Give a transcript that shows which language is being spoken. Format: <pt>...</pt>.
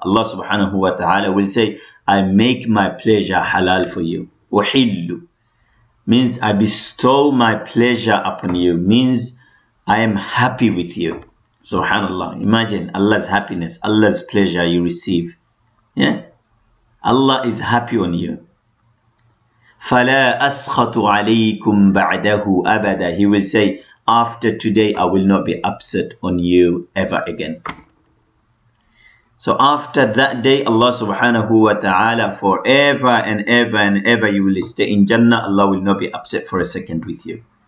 <en>Allah subhanahu wa ta'ala will say, I make my pleasure halal for you. أحل means I bestow my pleasure upon you, means I am happy with you. Subhanallah. Imagine Allah's happiness, Allah's pleasure you receive. Yeah? Allah is happy on you.</en> <ar>فلا أسخط عليكم بعده أبدا.</ar> <en>He will say, after today I will not be upset on you ever again. So after that day, Allah subhanahu wa ta'ala, forever and ever and ever you will stay in Jannah, Allah will not be upset for a second with you.</en>